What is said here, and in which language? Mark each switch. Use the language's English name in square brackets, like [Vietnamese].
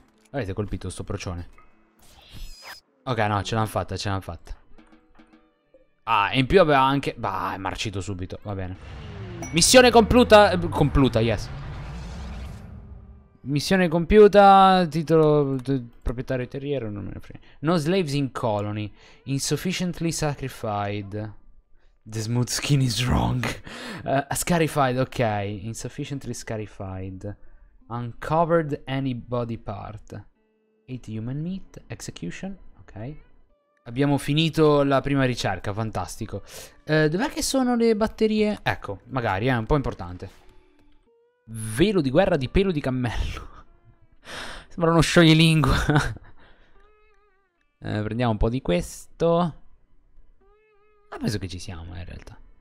[Italian] Avete colpito sto procione? Ok, no, ce l'hanno fatta, ce l'hanno fatta. Ah, e in più aveva anche... Bah, è marcito subito, va bene. Missione compiuta, compiuta, yes. Missione compiuta, titolo proprietario terriero, non me ne frega. [English] No slaves in colony, insufficiently sacrificed. The smooth skin is wrong. Scarified, ok. Insufficiently scarified. Uncovered any body part. Ate human meat, execution, ok. [Italian] Abbiamo finito la prima ricerca, fantastico. Dov'è che sono le batterie? Ecco, magari, è un po' importante. Velo di guerra di pelo di cammello. Sembra uno scioglilingua. prendiamo un po' di questo. Ah, penso che ci siamo in realtà.